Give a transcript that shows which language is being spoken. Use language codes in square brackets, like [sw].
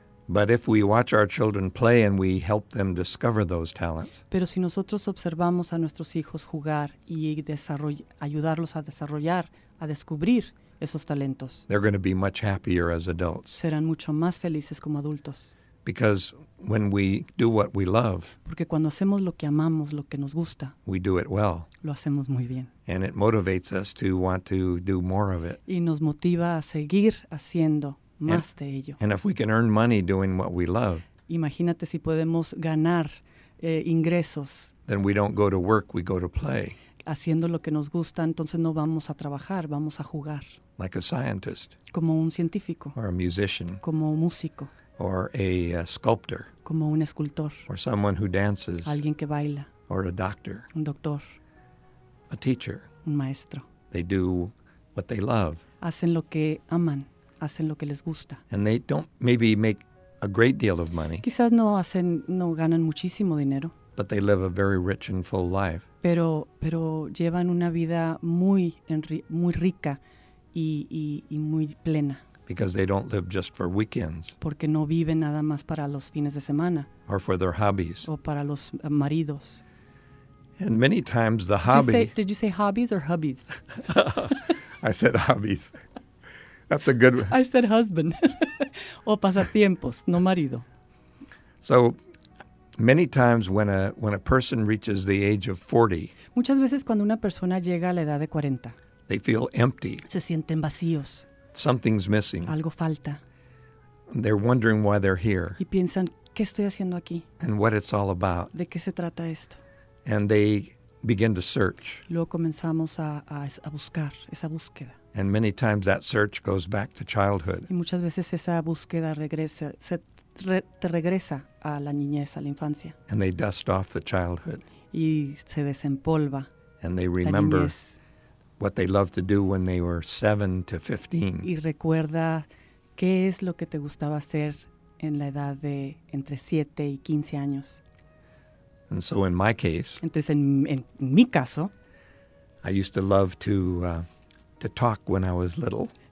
[en] But if we watch our children play and we help them discover those talents. [es] Pero si nosotros observamos a nuestros hijos jugar y ayudarlos a desarrollar, a descubrir esos talentos. [en] They're going to be much happier as adults. [es] Serán mucho más felices como adultos. [en] Because when we do what we love, [es] porque cuando hacemos lo que amamos, lo que nos gusta, [en] we do it well. [es] Lo hacemos muy bien. [en] And it motivates us to want to do more of it. [es] Y nos motiva a seguir haciendo más de ello. [en] And if we can earn money doing what we love, [es] imagínate si podemos ganar ingresos, [en] then we don't go to work, we go to play. [es] Haciendo lo que nos gusta, entonces no vamos a trabajar, vamos a jugar. [en] Like a scientist. [es] Como un científico. [en] Or a musician. [es] Como un músico. [en] Or a sculptor. [es] Como un escultor. [en] Or someone who dances. [es] Alguien que baila. [en] Or a doctor. [es] Un doctor. [en] A teacher. [es] Un maestro. [en] They do what they love. [es] Hacen lo que aman. Hacen lo que les gusta. [en] And they don't maybe make a great deal of money. [es] Quizás no ganan muchísimo dinero. [en] But they live a very rich and full life. [es] Pero llevan una vida muy rica y muy plena. [en] Because they don't live just for weekends. [es] Porque no viven nada más para los fines de semana. [en] Or for their hobbies. [es] O para los maridos. [en] And many times the did hobby... You say, did you say hobbies or hubbies? I said hobbies. That's a good one. I said husband. [es] O pasatiempos, no marido. [en] So many times when a person reaches the age of 40. [es] Muchas veces cuando una persona llega a la edad de 40. [en] They feel empty. [es] Se sienten vacíos. [en] Something's missing. [es] Algo falta. [en] They're wondering why they're here. [es] Y piensan, ¿qué estoy haciendo aquí? [en] And what it's all about. [es] ¿De qué se trata esto? [en] And they begin to search. [es] Luego comenzamos a buscar esa búsqueda. [en] And many times that search goes back to childhood. [es] Y muchas veces esa búsqueda regresa, te regresa a la niñez, a la infancia. [en] And they dust off the childhood. [es] Y se desempolva. [en] And they remember what they loved to do when they were 7 to 15. [es] Y recuerda qué es lo que te gustaba hacer en la edad de entre 7 y 15 años. [en] And so in my case, [es] entonces en mi caso, [en] I used to love to talk when I was little.